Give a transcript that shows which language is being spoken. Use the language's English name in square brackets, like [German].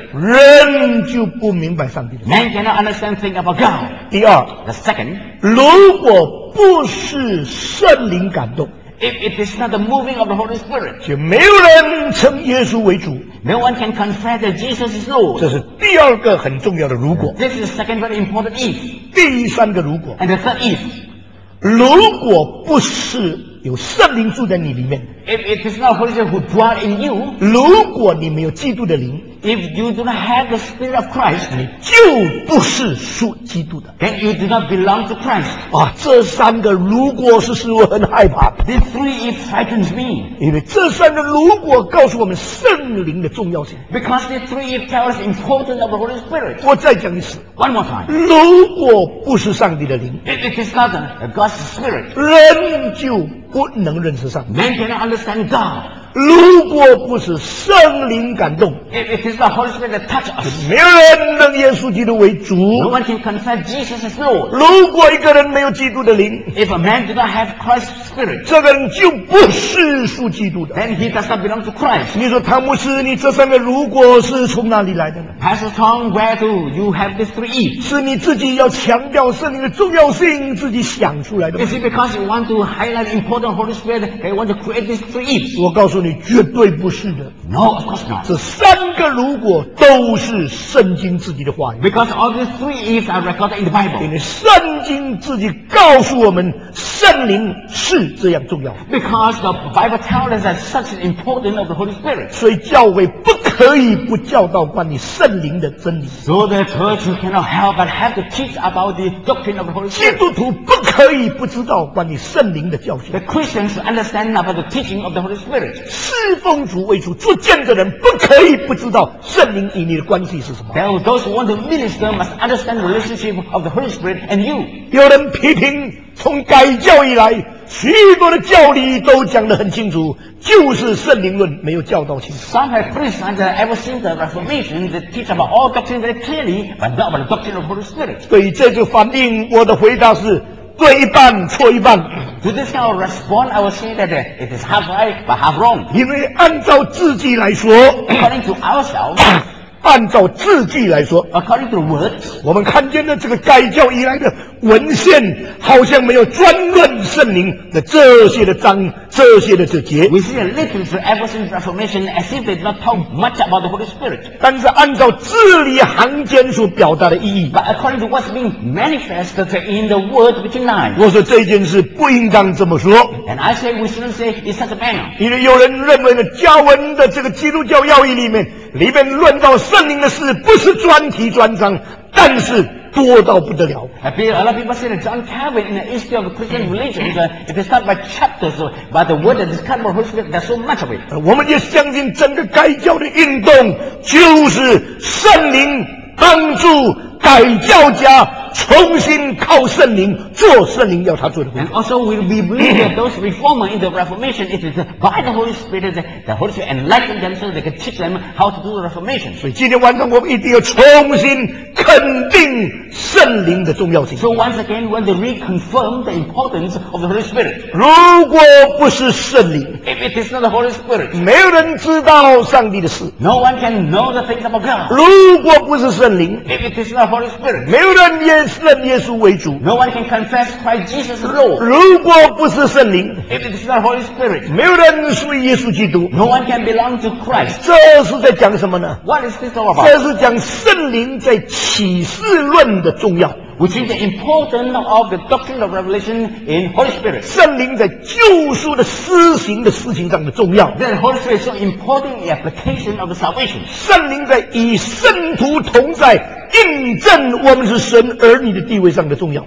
[Chinese] 人就不明白上帝的。 [English] Man cannot understand thing about God. [Chinese] 第二。 [English] The second. [Chinese] 如果不是圣灵感动。 [English] If it is not the moving of the Holy Spirit, [Chinese] 就没有人称耶稣为主。 [English] No one can confess that Jesus is Lord. [Chinese] 这是第二个很重要的如果。 [English] This is the second very important if. [Chinese] 第三个如果。 [English] And the third if. [Chinese] 如果不是有圣灵住在你里面。 [English] If it is not Holy Spirit who dwell in you. [Chinese] 如果你没有基督的灵。 [English] If you do not have the Spirit of Christ, [Chinese] 你就不是属基督的。 [English] Then you do not belong to Christ. [Chinese] 啊，这三个如果是使我很害怕。 [English] These three it frightens me. [Chinese] 因为这三个如果告诉我们圣灵的重要性。 [English] Because these three it tells us the importance of the Holy Spirit. [Chinese] 我再讲一次。 [English] One more time. [Chinese] 如果不是上帝的灵。 [English] If it is not God's Spirit. [Chinese] 人就不能认识上帝。 [English] Man cannot understand God. [Chinese] 如果不是圣灵感动 [English] If it is the Holy Spirit that touch us, [Chinese] 没有人能耶稣基督为主 [English] No one can confess Jesus as Lord. [Chinese] 如果一个人没有基督的灵 [English] If a man do not have Christ's Spirit, [Chinese] 这个人就不是属基督的 [English] Then he does not belong to Christ. [Chinese] 你说汤姆斯你这三个如果是从哪里来的呢 [English] Pastor Tom, where do you have these three E's? [Chinese] 是你自己要强调圣灵的重要性自己想出来的 [English] Is it because you want to highlight the important Holy Spirit and you want to create these three E's? [Chinese] 我告诉你绝对不是的 [English] No, of course not. [Chinese] 这三个如果都是圣经自己的话语 [English] Because all these three is recorded in the Bible. [Chinese] 因为圣经自己告诉我们圣灵是这样重要 [English] Because the Bible tells us that such an importance of the Holy Spirit. [Chinese] 所以教会不可以不教导关于圣灵的真理 [English] So the church cannot help but have to teach about the doctrine of the Holy Spirit. [Chinese] 基督徒不可以不知道关于圣灵的教训 [English] The Christians understand about the teaching of the Holy Spirit. [Chinese] 侍奉主为主做见证的人不可以不知道圣灵与你的关系是什么 [English] Those who want to minister must understand the relationship of the Holy Spirit and you [Chinese] 有人批评从改教以来许多的教理都讲得很清楚就是圣灵论没有教导清楚 [English] Some have preached that ever since the Reformation they teach about all doctrine very clearly but not about the doctrine of the Holy Spirit [Chinese] 对于这句反应我的回答是对一半错一半 [English] To this kind of response, I will say that it is half right but half wrong. [Chinese] 因为按照字句来说 [English] According to ourselves, [Chinese] 按照字句来说 [English] According to the words, [Chinese] 我们看见的这个改教以来的文献好像没有专论圣灵的这些的章这些的这节 [English] We see the literature ever since the Reformation as if they did not talk much about the Holy Spirit [Chinese] 但是按照字里行间所表达的意义 [English] But according to what's being manifested in the word between lines [Chinese] 我说这件事不应当这么说 [English] And I say we shouldn't say it's such a manner [Chinese] 因为有人认为呢加文的这个基督教要义里面论到圣灵的事不是专题专章但是多到不得了 [English] A lot of people say that John Calvin in the history of Christian religion if it's not by chapters but the word that is kind of Holy Spirit there's so much of it [Chinese] 我们也相信整个改教的运动就是圣灵帮助改教家重新靠圣灵做圣灵要他做的工作 [English] And also we believe that those reformers in the Reformation it is by the Holy Spirit that the Holy Spirit enlightened them so they could teach them how to do the Reformation [Chinese] 所以今天晚上我们一定要重新肯定圣灵的重要性 [English] So once again we want to reconfirm the importance of the Holy Spirit [Chinese] 如果不是圣灵 [English] If it is not the Holy Spirit [Chinese] 没有人知道上帝的事 [English] No one can know the things about God [Chinese] 如果不是圣灵 [English] If it is not the Holy Spirit [Chinese] 没有人认耶稣为主 [English] No one can confess Christ Jesus as Lord [Chinese] 如果不是圣灵 [English] If it is not the Holy Spirit [Chinese] 没有人属于耶稣基督 [English] No one can belong to Christ [Chinese] 这是在讲什么呢 [English] What is this all about? [Chinese] 这是讲圣灵在启示论的重要 [English] Which is the importance of the doctrine of revelation in Holy Spirit [Chinese] 圣灵在救赎的施行的事情上的重要 [English] Then Holy Spirit is so important in the application of the salvation [Chinese] 圣灵在与圣徒同在印证我们是神儿女的地位上的重要